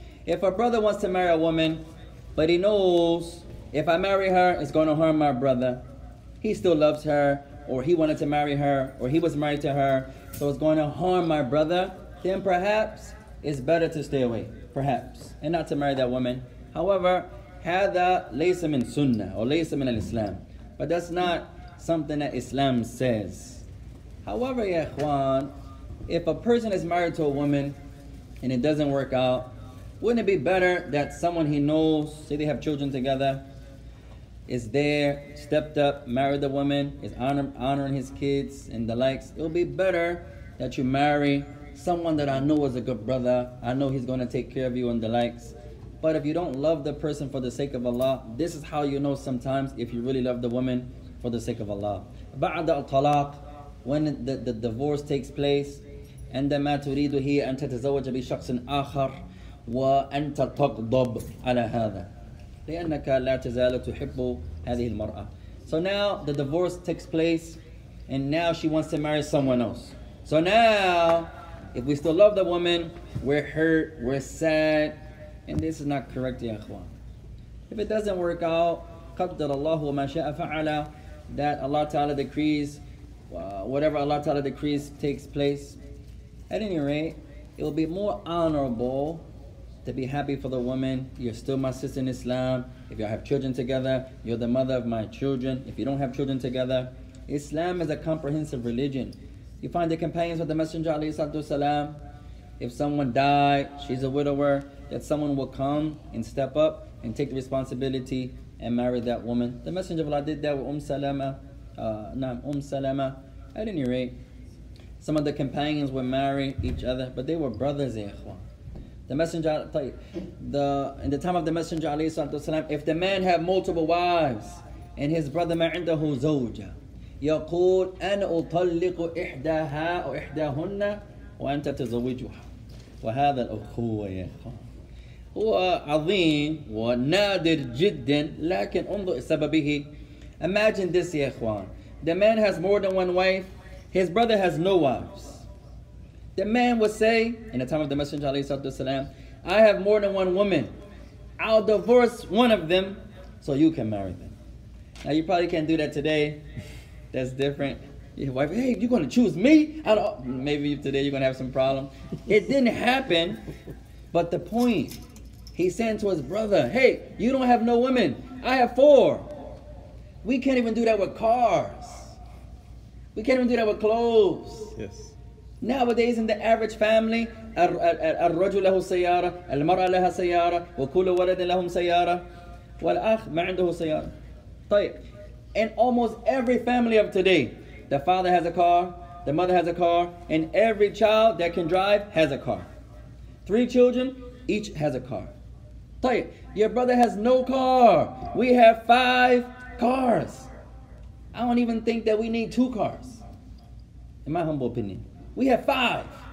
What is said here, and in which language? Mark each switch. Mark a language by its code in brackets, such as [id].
[en] If a brother wants to marry a woman but he knows if I marry her it's going to harm my brother, he still loves her, or he wanted to marry her, or he was married to her, so it's going to harm my brother, then perhaps it's better to stay away, perhaps, and not to marry that woman. [ar] However, هذا ليس من سنة, or ليس من الإسلام. [en] But that's not something that Islam says. However, [ar] يا إخوان, [en] if a person is married to a woman, and it doesn't work out, wouldn't it be better that someone he knows, say they have children together, is there, stepped up, married the woman, is honoring his kids and the likes. It'll be better that you marry someone that I know is a good brother. I know he's going to take care of you and the likes. But if you don't love the person for the sake of Allah, this is how you know sometimes if you really love the woman for the sake of Allah. [ar] بعد الطلاق, [en] when the divorce takes place, [ar] عندما تريد هي أن تتزوج بشخص آخر وأنت تغضب على هذا. [en] So now the divorce takes place and now she wants to marry someone else. So now, if we still love the woman, we're hurt, we're sad, and this is not correct, ya ikhwan. If it doesn't work out, [ar] قَدَّرَ اللَّهُ وَمَا شَاءَ فَعَلَ, [en] that Allah Ta'ala decrees, whatever Allah Ta'ala decrees takes place, at any rate, it will be more honorable to be happy for the woman. You're still my sister in Islam. If you have children together, you're the mother of my children. If you don't have children together, Islam is a comprehensive religion. You find the companions of the Messenger alayhi salatu wasalam. If someone died, she's a widower, that someone will come and step up and take the responsibility and married that woman. The Messenger of Allah did that with Salama. Salama. At any rate, some of the companions would marry each other, but they were brothers, ikhwan. In the time of the Messenger, [ar] والسلام, [en] if the man had multiple wives and his brother [ar] ma'indahu zawja, يقول أن أطلق إحداها أو إحداهن وأنت تزوجها وهذا الأخوة يا إخوان هو عظيم ونادر جدا لكن انظر سببه. [en] Imagine this [ar] يا إخوان, [en] the man has more than one wife, his brother has no wives. The man would say in the time of the Messenger [ar] عليه الصلاة والسلام, [en] I have more than one woman, I'll divorce one of them so you can marry them. Now you probably can't do that today. That's different. Your wife, hey, you're going to choose me? I don't, maybe today you're going to have some problem. It didn't happen. But the point, he said to his brother, hey, you don't have no women. I have four. We can't even do that with cars. We can't even do that with clothes. Yes. [ar] Nowadays in the average family, الرجل له سيارة, المرأة لها سيارة, وكل ولد لهم سيارة, والأخ ما عنده سيارة. طيب. [en] In almost every family of today, the father has a car, the mother has a car, and every child that can drive has a car. Three children, each has a car. طيب, your brother has no car. We have five cars. I don't even think that we need two cars, in my humble opinion. We have five.